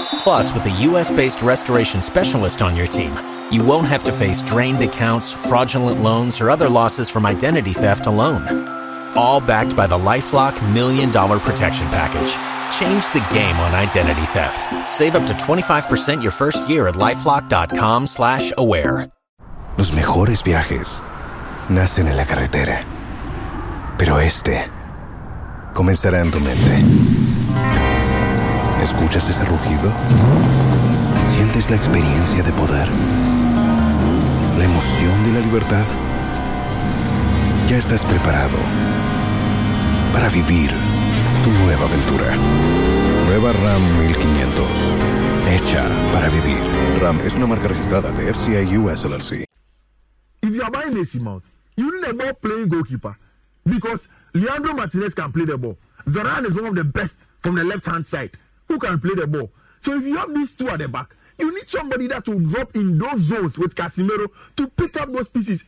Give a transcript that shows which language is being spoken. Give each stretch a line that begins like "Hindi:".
English: Plus, with a U.S.-based restoration specialist on your team, you won't have to face drained accounts, fraudulent loans, or other losses from identity theft alone. All backed by the LifeLock Million Dollar Protection Package. Change the game on identity theft. Save up to 25% your first year at LifeLock.com/aware.
Spanish: Los mejores viajes nacen en la carretera, pero este comenzará en tu mente. ¿Escuchas ese rugido? ¿Sientes la experiencia de poder? ¿La emoción de la libertad? Ya estás preparado para vivir tu nueva aventura. Nueva Ram 1500, hecha para vivir. Ram es una marca registrada de FCA US LLC.
English: If you are buying abysmal, you need a ball playing goalkeeper because Leandro Martinez can play the ball. Varane is one of the best from the left-hand side who can play the ball. So if you have these two at the back, you need somebody that will drop in those zones with Casemiro to pick up those pieces.